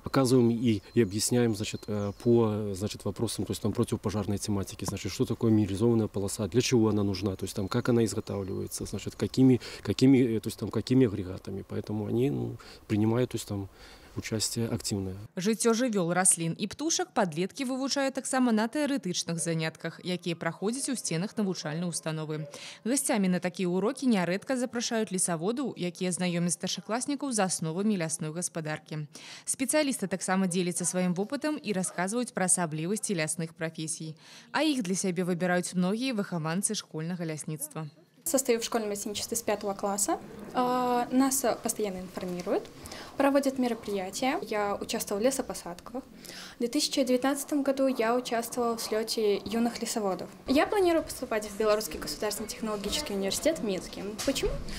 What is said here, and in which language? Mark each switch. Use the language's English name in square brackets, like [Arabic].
[Russian] Показываем и объясняем, значит, по, значит, вопросам, то есть там противопожарной тематики, значит, что такое минерализованная полоса, для чего она нужна, то есть там как она изготавливается, значит, какими, то есть там какими агрегатами. Поэтому они, ну, принимают, то есть там участие активное. [Belarusian] Жыццё жывёл, раслін і птушак падлеткі вывучаюць таксама на тэарэтычных занятках, якія праходзяць у сценах навучальнай установы. Гасцямі на такія урокі нярэдка запрашаюць лесаводаў, якія знаёмяць старшакласнікаў з асновамі лясной гаспадаркі. Спецыялісты таксама дзеляцца сваім вопытам і расказваюць пра асаблівасці лясных прафесій. А іх для сябе выбіраюць многія выхаванцы школьнага лясніцтва. [Russian] Состою в школьном лесничестве с 5 класса. Нас постоянно информируют, проводят мероприятия. Я участвовала в лесопосадках. В 2019 году я участвовала в слете юных лесоводов. Я планирую поступать в Белорусский государственный технологический университет в Минске. Почему?